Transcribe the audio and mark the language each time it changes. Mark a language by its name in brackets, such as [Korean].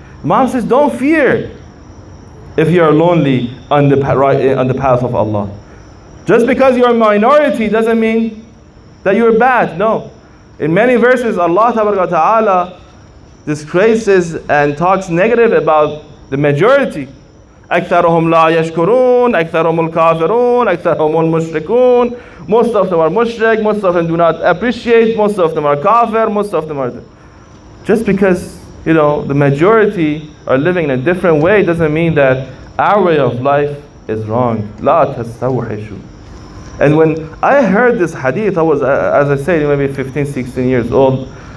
[English] Imam says, don't fear if you are lonely on the path of Allah. Just because you are a minority doesn't mean that you are bad. No. In many verses, Allah Ta'ala disgraces and talks negative about the majority. [Arabic] أكثرهم لا يشكرون أكثرهم الكافرون أكثرهم المشركون. [English] Most of them are mushrik, most of them do not appreciate, most of them are kafir, most of them are the... Just because, you know, the majority are living in a different way doesn't mean that our way of life is wrong. [Arabic] لا تستوحشوا. [English] And when I heard this hadith, I was, as I said, maybe 15, 16 years old.